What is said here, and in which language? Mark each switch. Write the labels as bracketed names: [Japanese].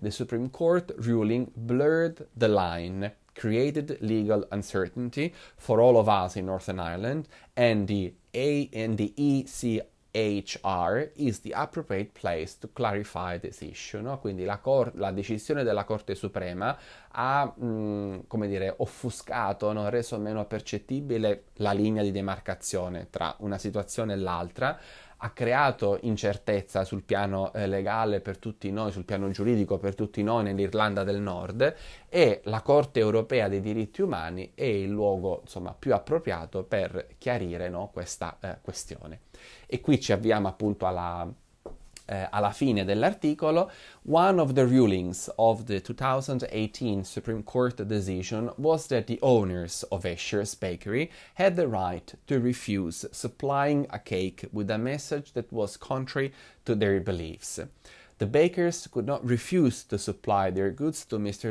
[English] The Supreme Court ruling blurred the line, created legal uncertainty for all of us in Northern Ireland, and the ECHR is the appropriate place to clarify this issue, no? [Italian] Quindi la decisione della Corte Suprema ha, come dire, offuscato, no? Reso meno percettibile la linea di demarcazione tra una situazione e l'altra, ha creato incertezza sul piano legale per tutti noi, sul piano giuridico per tutti noi nell'Irlanda del Nord, e la Corte Europea dei Diritti Umani è il luogo, insomma, più appropriato per chiarire, no, questa questione. E qui ci avviamo appunto alla fine dell'articolo. [English] One of the rulings of the 2018 Supreme Court decision was that the owners of Escher's Bakery had the right to refuse supplying a cake with a message that was contrary to their beliefs. The bakers could not refuse to supply their goods to Mr.